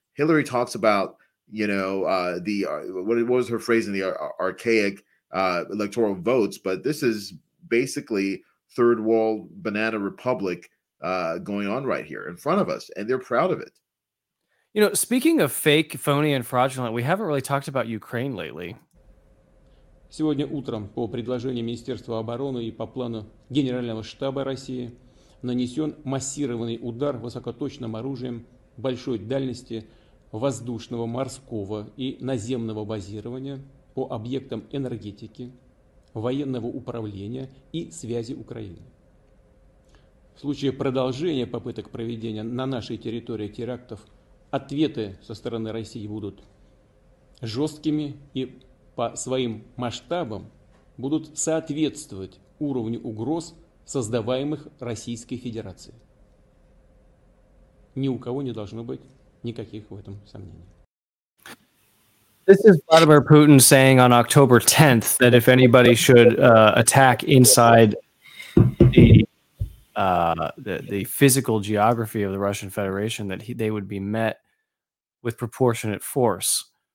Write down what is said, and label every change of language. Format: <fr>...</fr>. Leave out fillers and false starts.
<en>Hillary talks about, what was her phrase in the archaic electoral votes, but this is basically third world banana republic going on right here in front of us, and they're proud of it. Speaking of fake, phony, and fraudulent, we haven't really talked about Ukraine lately.</en> <ru>Сегодня утром по предложению Министерства обороны и по плану Генерального штаба России нанесен массированный удар высокоточным оружием большой дальности воздушного, морского и наземного базирования по объектам энергетики, военного управления и связи Украины. В случае продолжения попыток проведения на нашей территории терактов ответы со стороны России будут жесткими и по своим масштабам будут соответствовать уровню угроз, создаваемых Российской Федерацией. Ни у кого не должно быть никаких в этом сомнений.</ru> <en>This is Vladimir Putin saying on October 10th that if anybody should attack inside the physical geography of the Russian Federation, that they would be met with proportionate force.</en>